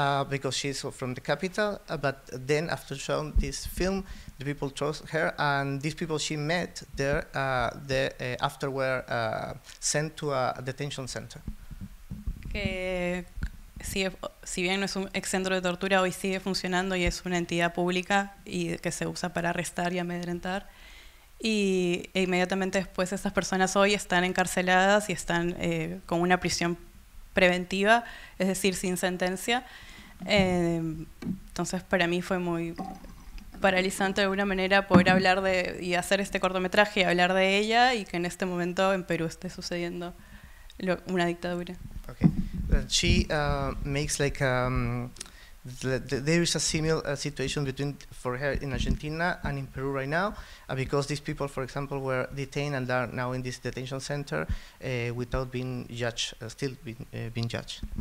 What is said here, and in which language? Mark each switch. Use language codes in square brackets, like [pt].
[en] Because she's from the capital, but then after showing this film, the people trust her, and these people she met there, after were sent to a detention center. [es] Que sigue, si bien no es un ex centro de tortura, hoy sigue funcionando y es una entidad pública y que se usa para arrestar y amedrentar. Y e inmediatamente después, estas personas hoy están encarceladas y están con una prisión preventiva, es decir, sin sentencia. Entonces, para mí fue muy paralizante de alguna manera poder hablar de y hacer este cortometraje y hablar de ella y que en este momento en Perú esté sucediendo una dictadura. [en] Okay. She makes like there is a similar situation between for her in Argentina and in Peru right now, because these people, for example, were detained and are now in this detention center without being judged, still being judged.